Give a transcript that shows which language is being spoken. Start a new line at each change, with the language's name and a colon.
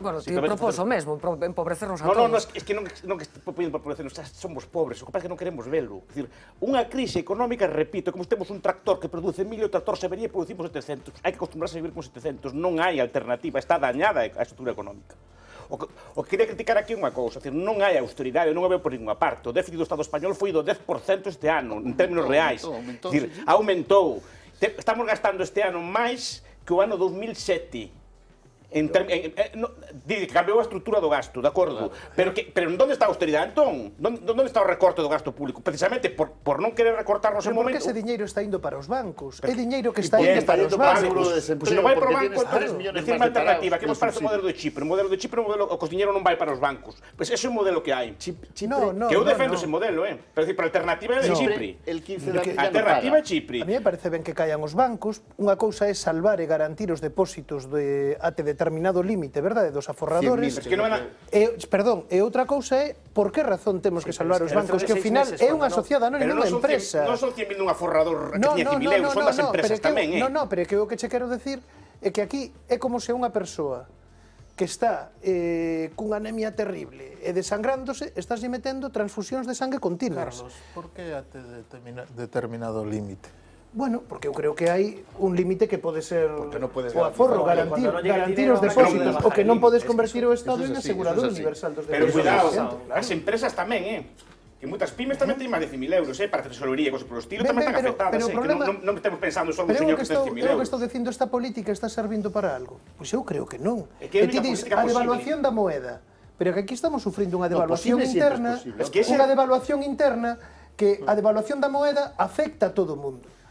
Spanish: Bueno, si te propongo eso mismo, empobrecernos a no, todos. No, es que no pueden empobrecernos, somos pobres, lo que pasa es que no queremos verlo. Es decir, una crisis económica, repito, como si tenemos un tractor que produce 1.000 y otro tractor se vería y producimos 700. Hay que acostumbrarse a vivir con 700, no hay alternativa, está dañada la estructura económica.
Galician: O quería criticar aquí unha cousa, non hai austeridade, non o veo
Spanish: por ninguna parte.
Galician: O déficit do Estado español foi do 10% este ano, en términos reais. Aumentou. Estamos gastando este ano máis que o ano 2007. Cambiou a estrutura do gasto, de acordo. Pero onde está a austeridade, entón? Onde está o recorte do gasto público? Precisamente por non querer recortar nos momento. Porque ese dinheiro está indo para os bancos. É dinheiro que está indo para os bancos. Se non vai para o banco, decir unha alternativa. Que nos parece o modelo de Chipre? O modelo de Chipre é un modelo que o dinheiro non vai para os bancos. Pois é o modelo que hai. Que eu defendo ese modelo, Pero a alternativa é de Chipre. A alternativa é Chipre. A mí me parece ben que caian os bancos. Unha cousa é salvar e garantir os depósitos de ATDT determinado límite,
Spanish: ¿verdad?,
Galician: de dos aforradores.
Spanish: Es que no
Galician: perdón, e outra cousa é por que razón temos que salvar os bancos, que ao final é unha sociedade anónima da empresa. Non son 100.000 dun aforrador que tiña 100.000 euros, son das empresas tamén. Non, non, pero que o que che quero decir é que aquí é como se unha persoa que está cunha anemia terrible e desangrándose, estás metendo transfusións de sangue continuas. Carlos, por que ate determinado límite? Bueno, porque eu creo que hai un límite que pode ser
Spanish: no
Galician: o aforro, garantir os depósitos, o que non podes convertir o Estado en asegurador universal dos depósitos. Pero cuidado, as empresas tamén, que moitas pymes tamén teñen máis de 100.000 euros, para tesouraría e cosas por o estilo, tamén están afectadas, problema, que non estamos pensando só un señor que ten 100.000 euros. Eu que estou dicindo, esta política está servindo para algo? Pois eu creo que non. É que é a única devaluación da moeda. Pero que aquí estamos sufrindo unha devaluación interna, unha devaluación interna, que a devaluación da moeda afecta a todo o mundo.